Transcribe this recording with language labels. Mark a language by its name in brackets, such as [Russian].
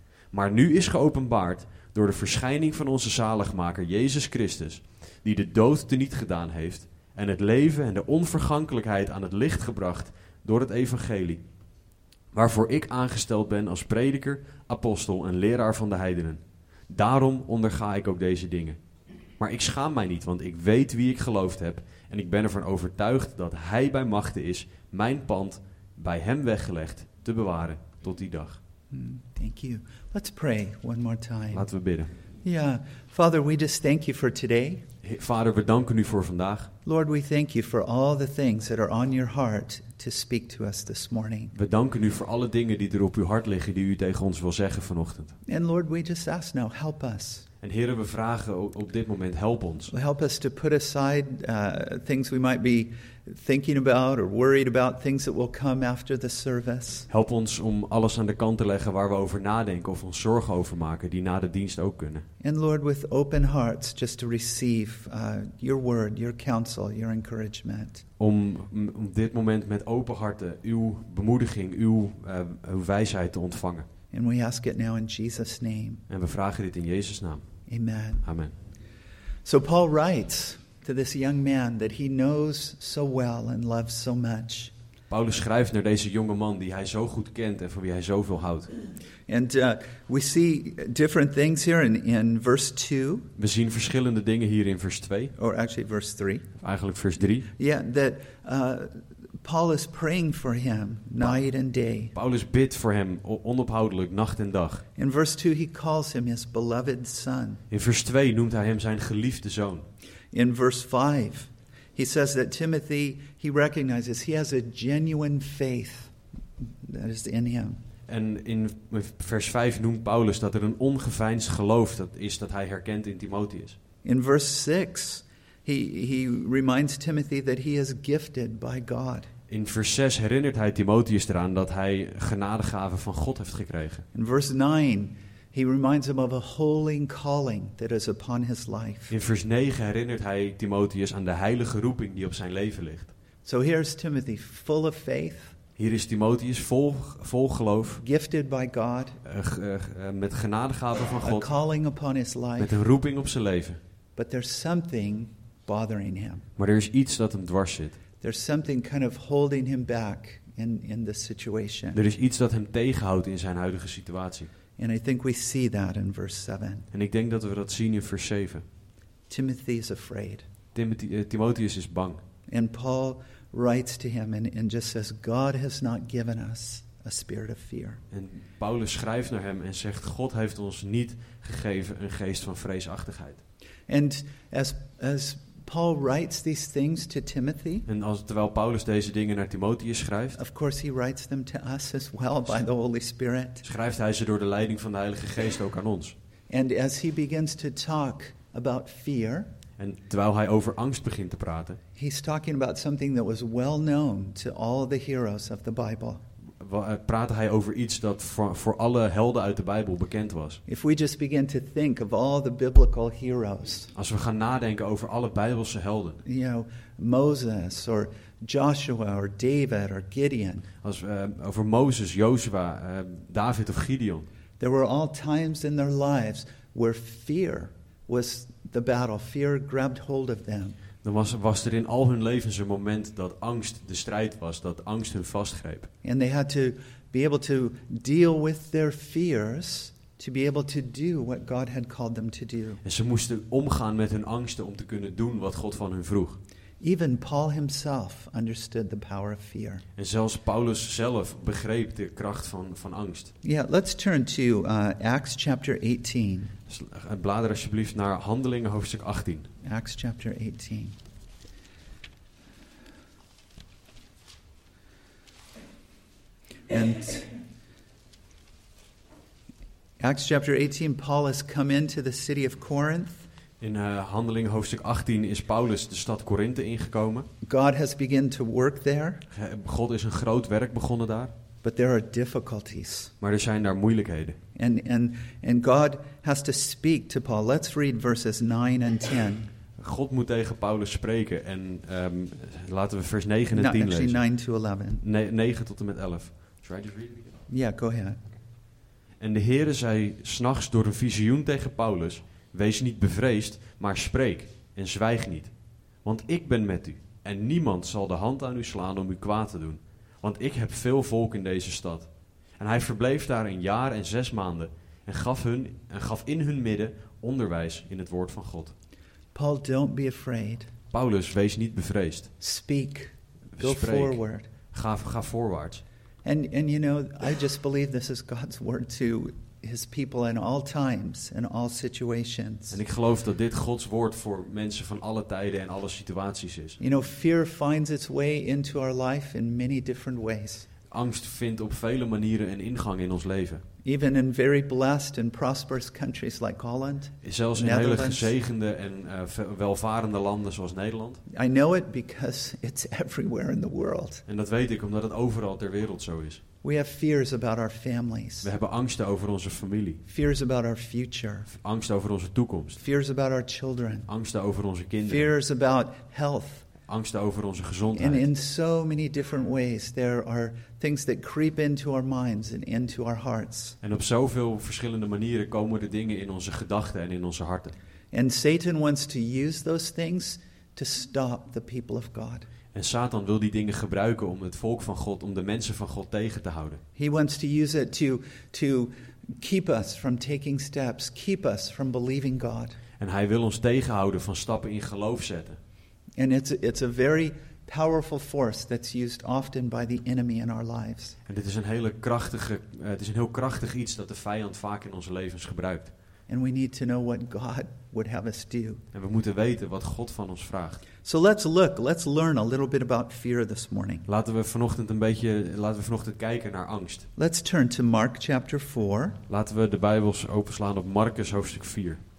[Dutch] Maar nu is geopenbaard door de verschijning van onze zaligmaker Jezus Christus, die de dood teniet gedaan heeft en het leven en de onvergankelijkheid aan het licht gebracht door het evangelie, waarvoor ik aangesteld ben als prediker, apostel en leraar van de heidenen. Daarom onderga ik ook deze dingen. Maar ik schaam mij niet, want ik weet wie ik geloofd heb en ik ben ervan overtuigd dat hij bij machten is mijn pand bij hem weggelegd te bewaren tot die dag. [English] Thank you. Let's pray one more time. [Dutch] Laten we bidden. Ja, yeah. [English] Father, we just thank you for today. [Dutch] Vader, we danken u voor vandaag. [English] Lord, we thank you for all the things that are on your heart to speak to us this morning. [Dutch] We danken u voor alle dingen die er op uw hart liggen die u tegen ons wil zeggen vanochtend. [English] And Lord, we just ask now, help us. [Dutch] En Heere, we vragen op dit moment, help ons. [English] Help us to put aside things we might be thinking about or worried about, things that will come after the service. [Dutch] Help ons om alles aan de kant te leggen waar we over nadenken of ons zorgen over maken, die na de dienst ook kunnen. [English] And Lord, with open hearts, just to receive your word, your counsel, your encouragement. [Dutch] Om dit moment met open harten uw bemoediging, uw wijsheid te ontvangen. [English] And we ask it now in Jesus' name. [Dutch] En we vragen dit in Jezus' naam. [English] Amen. [Dutch] Amen. [English] So Paul writes to this young man that he knows so well and loves so much. [Dutch] Paulus schrijft naar deze jonge man die hij zo goed kent en van wie hij zoveel houdt. [English] And we see different things here in verse 2. [Dutch] We zien verschillende dingen hier in vers 2. [English] Or actually verse 3. [Dutch] Eigenlijk vers 3. [English] Yeah, that Paul is praying for him night and day. [Dutch] Paulus bidt voor hem onophoudelijk nacht en dag. [English] In verse 2 he calls him his beloved son. [Dutch] In vers 2 noemt hij hem zijn geliefde zoon. [English] In verse 5 he says that Timothy, he recognizes he has a genuine faith that is in him. [Dutch] En in vers 5 noemt Paulus dat er een ongeveinsd geloof dat is dat hij herkent in Timotheus. [English] In verse 6 He reminds Timothy that he is gifted by God. [Dutch] In vers 6 herinnert hij Timotheus eraan dat hij genadegave van God heeft gekregen. [English] In verse 9 he reminds him of a holy calling that is upon his life. [Dutch] In vers 9 herinnert hij Timotheus aan de heilige roeping die op zijn leven ligt. [English] So here is Timothy, full of faith. [Dutch] Hier is Timotheus vol geloof. [English] Gifted by God. [Dutch] Met genadegave van God. [English] A calling upon his life. [Dutch] Met een roeping op zijn leven. [English] But there's something bothering him. [Dutch] Maar er is iets dat hem dwars zit. [English] There's something kind of holding him back in the situation. [Dutch] Er is iets dat hem tegenhoudt in zijn huidige situatie. [English] And I think we see that in verse 7. [Dutch] En ik denk dat we dat zien in vers 7. [English] Timothy is afraid. [Dutch] Timotheus is bang. [English] And Paul writes to him and just says, God has not given us a spirit of fear. [Dutch] En Paulus schrijft naar hem en zegt, God heeft ons niet gegeven een geest van vreesachtigheid. [English] And as Paul writes these things to Timothy. [Dutch] En als, terwijl Paulus deze dingen naar Timotheus schrijft. [English] Of course he writes them to us as well by the Holy Spirit. [Dutch] Schrijft hij ze door de leiding van de Heilige Geest ook aan ons. [English] And as he begins to talk about fear. [Dutch] En terwijl hij over angst begint te praten. [English] He's talking about something that was well known to all the heroes of the Bible. [Dutch] Praatte hij over iets dat voor alle helden uit de Bijbel bekend was. [English] If we just begin to think of all the biblical heroes. [Dutch] Als we gaan nadenken over alle Bijbelse helden. [English] You know, Moses or Joshua or David or Gideon. [Dutch] Als we over Mozes, Jozua, David of Gideon. [English] There were all times in their lives where fear was the battle. Fear grabbed hold of them. [Dutch] Dan was er in al hun levens een moment dat angst de strijd was, dat angst hun vastgreep. [English] And they had to be able to deal with their fears to be able to do what God had called them to do. [Dutch] En ze moesten omgaan met hun angsten om te kunnen doen wat God van hun vroeg. [English] Even Paul himself understood the power of fear. [Dutch] En zelfs Paulus zelf begreep de kracht van angst. [English] Yeah, let's turn to Acts chapter 18. [Dutch] Blader alsjeblieft naar Handelingen hoofdstuk 18. [English] Acts chapter 18. And Acts chapter 18, Paul has come into the city of Corinth. [Dutch] In Handelingen hoofdstuk 18 is Paulus de stad Korinthe ingekomen. [English] God has begun to work there. [Dutch] God is een groot werk begonnen daar. [English] But there are difficulties. [Dutch] Maar er zijn daar moeilijkheden. [English] And God has to speak to Paul. Let's read verses 9 and 10. [Dutch] God moet tegen Paulus spreken en laten we vers 9 en 10 lezen. 9 tot en met 11. [English] Try to read me. Yeah, go ahead. [Dutch] En de Heere zei 's nachts door een visioen tegen Paulus: wees niet bevreesd, maar spreek en zwijg niet. Want ik ben met u en niemand zal de hand aan u slaan om u kwaad te doen. Want ik heb veel volk in deze stad. En hij verbleef daar een jaar en 6 maanden en gaf in hun midden onderwijs in het woord van God. [English] Paul, don't be afraid. [Dutch] Paulus, wees niet bevreesd. [English] Speak. Go forward. [Dutch] Ga voorwaarts. [English] And you know, I just believe this is God's word to his people in all times and all situations. [Dutch] En ik geloof dat dit Gods woord voor mensen van alle tijden en alle situaties is. [English] You know, fear finds its way into our life in many different ways. [Dutch] Angst vindt op vele manieren een ingang in ons leven. [English] Even in very blessed and prosperous countries like Holland. [Dutch] Zelfs in hele gezegende en welvarende landen zoals Nederland. [English] I know it because it's everywhere in the world. [Dutch] En dat weet ik omdat het overal ter wereld zo is. [English] We have fears about our families. [Dutch] We hebben angsten over onze familie. [English] Fears about our future. [Dutch] Angst over onze toekomst. [English] Fears about our children. [Dutch] Angsten over onze kinderen. [English] Fears about health. [Dutch] Angsten over onze gezondheid. [English] And in so many different ways there are things that creep into our minds and into our hearts. [Dutch] En op zoveel verschillende manieren komen de dingen in onze gedachten en in onze harten. [English] And Satan wants to use those things to stop the people of God. [Dutch] En Satan wil die dingen gebruiken om het volk van God, om de mensen van God tegen te houden. [English] He wants to use it to keep us from taking steps, keep us from believing God. [Dutch] En hij wil ons tegenhouden van stappen in geloof zetten. [English] And it's a very powerful force that's used often by the enemy in our lives. [Dutch] En dit is een hele krachtige, het is een heel krachtig iets dat de vijand vaak in onze levens gebruikt. [English] And we need to know what God would have us do. [Dutch] En we moeten weten wat God van ons vraagt. [English] So let's learn a little bit about fear this morning. [Dutch] Laten we vanochtend kijken naar angst. [English] Let's turn to Mark chapter 4. [Dutch] Laten we de Bijbels openslaan op Marcus hoofdstuk 4.